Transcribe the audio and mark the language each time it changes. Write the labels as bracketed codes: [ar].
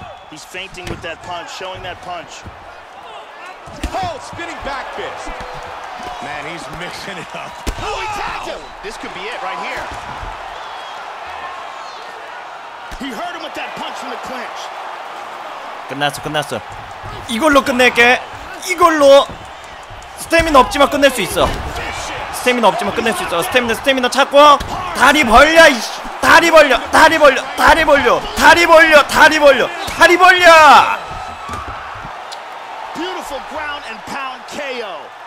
[en] He's fainting with that punch, showing that punch. Oh, spinning back fist. Man, he's mixing it up. Oh, he tagged him. This could be it right here. He heard him with that punch from the clinch. [ko] 끝났어, 끝났어. 이걸로 끝낼게. 이걸로 스태미너 없지만 끝낼 수 있어. 스태미너 없지만 끝낼 수 있어. 스태미너, 스태미너 찾고 다리 벌려, 이씨. 다리 벌려, 다리 벌려, 다리 벌려, 다리 벌려, 다리 벌려, 다리 벌려. [en] Beautiful ground and pound KO.